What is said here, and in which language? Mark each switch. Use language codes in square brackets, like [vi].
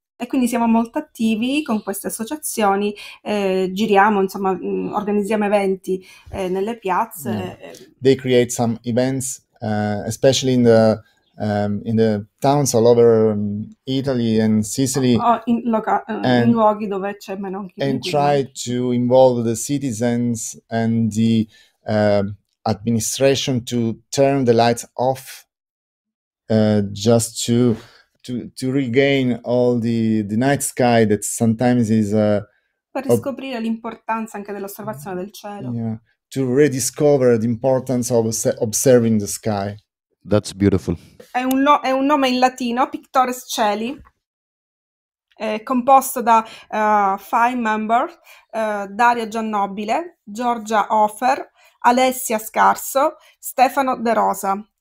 [it] E quindi siamo molto attivi con queste associazioni, giriamo, insomma, organizziamo eventi nelle piazze. [en] Yeah. They create some events, especially in the towns all over Italy and Sicily. [it] In luoghi dove c'è meno inquinamento. [en] And try to involve the citizens and the administration to turn the lights off just to regain all the night sky that sometimes is [it] per riscoprire l'importanza anche dell'osservazione del cielo. [en] Yeah, to rediscover the importance of observing the sky. That's beautiful. [it] È un nome in latino, Pictores Cieli, è composto da [en] five members, [it] Daria Giannobile, Giorgia Hofer, Alessia Scarso, Stefano De Rosa.